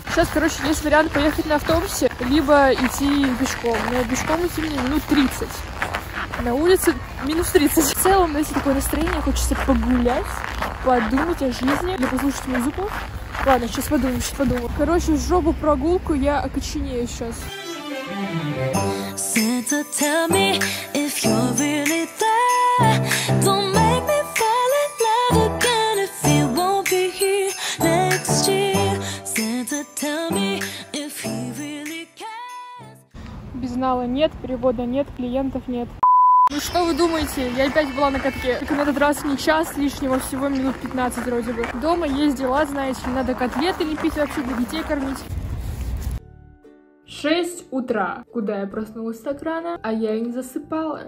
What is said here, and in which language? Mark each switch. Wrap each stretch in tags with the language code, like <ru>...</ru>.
<ru>Сейчас, короче, есть вариант поехать на автобусе, либо идти пешком. Но пешком идти мне минут 30. На улице минус 30. В целом, если такое настроение, хочется погулять, подумать о жизни или послушать музыку. Ладно, сейчас подумаю, сейчас подумаю. Короче, жопу прогулку, я окоченею сейчас.</ru> <en>Santa, tell me if you're really there. Don't make me fall in love again if you won't be here next year. Santa, tell me if he really cares.</en> <ru>Без нала нет, перевода нет, клиентов нет. Ну что вы думаете, я опять была на катке. Только на этот раз не час лишнего, всего минут 15 вроде бы. Дома есть дела, знаете, надо котлеты лепить вообще, для детей кормить. 6 утра, куда я проснулась так рано, а я и не засыпала.</ru>